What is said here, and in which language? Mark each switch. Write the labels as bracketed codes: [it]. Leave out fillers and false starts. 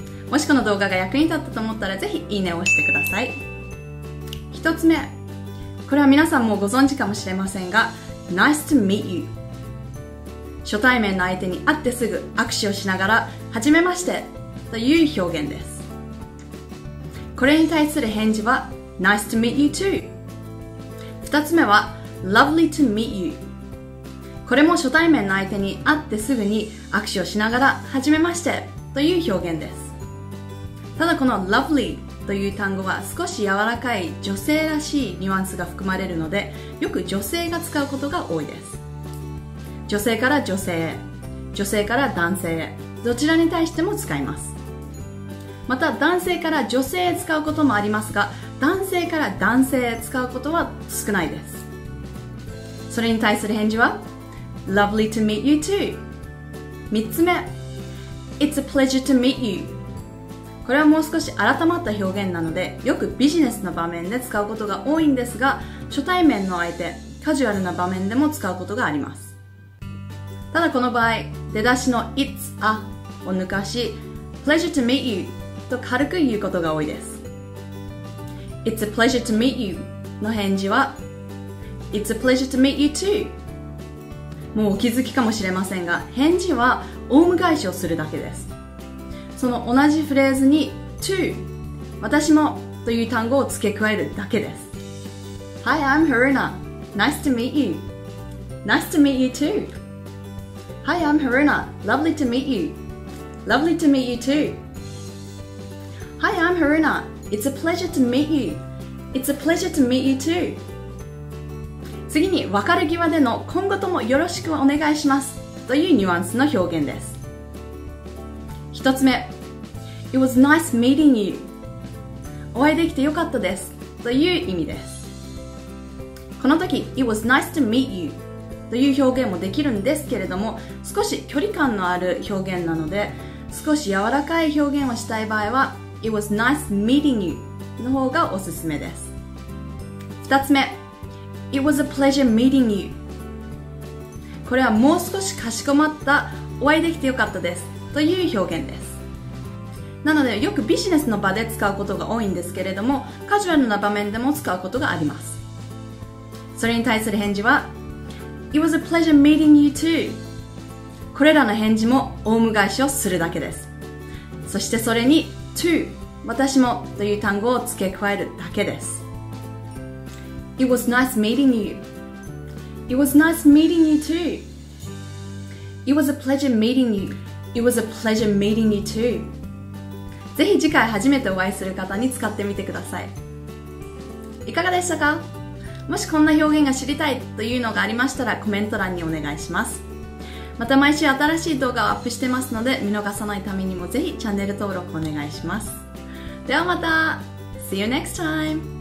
[ja] もしこの動画が役に立ったと思ったらぜひいいねを押してください。 1つ目、これは皆さんもご存知かもしれませんが [en] Nice to meet you。 [ja] 初対面の相手に会ってすぐ握手をしながら初めましてという表現です。これに対する返事は [en] Nice to meet you too。 [ja] 2つ目は [en] Lovely to meet you。 [ja] これも初対面の相手に会ってすぐに握手をしながら初めましてという表現です。ただこの lovely という単語は少し柔らかい女性らしいニュアンスが含まれるので、よく女性が使うことが多いです。女性から女性へ、女性から男性へ、どちらに対しても使います。また男性から女性へ使うこともありますが、男性から男性へ使うことは少ないです。それに対する返事は [en] lovely to meet you too。 [ja] 3つ目、 [en] it's a pleasure to meet you。 [ja] これはもう少し改まった表現なので、よくビジネスの場面で使うことが多いんですが、初対面の相手、カジュアルな場面でも使うことがあります。ただこの場合出だしの It's a を抜かし [en] Pleasure to meet you [ja] と軽く言うことが多いです。 [en] It's a pleasure to meet you [ja] の返事は [en] It's a pleasure to meet you too。 [ja] もうお気づきかもしれませんが、返事はオウム返しをするだけです。その同じフレーズに to、 私もという単語を付け加えるだけです。 [en] Hi, I'm Haruna. Nice to meet you. Nice to meet you too. Hi, I'm Haruna. Lovely to meet you. Lovely to meet you too. Hi, I'm Haruna. It's a pleasure to meet you. It's a pleasure to meet you too. [ja] 次に別れ際での今後ともよろしくお願いしますというニュアンスの表現です。 1つ目、 [en] It was nice meeting you。 [ja] お会いできてよかったですという意味です。この時 [en] It was nice to meet you [ja] という表現もできるんですけれども、少し距離感のある表現なので、少し柔らかい表現をしたい場合は [en] It was nice meeting you [ja] の方がおすすめです。 2つ目、 [en] It was a pleasure meeting you。 [ja] これはもう少しかしこまったお会いできてよかったですという表現です。なのでよくビジネスの場で使うことが多いんですけれども、カジュアルな場面でも使うことがあります。それに対する返事は [en] It was a pleasure meeting you too。 [ja] これらの返事もオウム返しをするだけです。そしてそれに to、 私もという単語を付け加えるだけです。 [en] It was nice meeting you. It was nice meeting you too. It was a pleasure meeting youIt was a pleasure meeting you too. [ja] ぜひ次回初めてお会いする方に使ってみてください。いかがでしたか？もしこんな表現が知りたいというのがありましたらコメント欄にお願いします。また毎週新しい動画をアップしてますので見逃さないためにもぜひチャンネル登録お願いします。ではまた [en] !See you next time!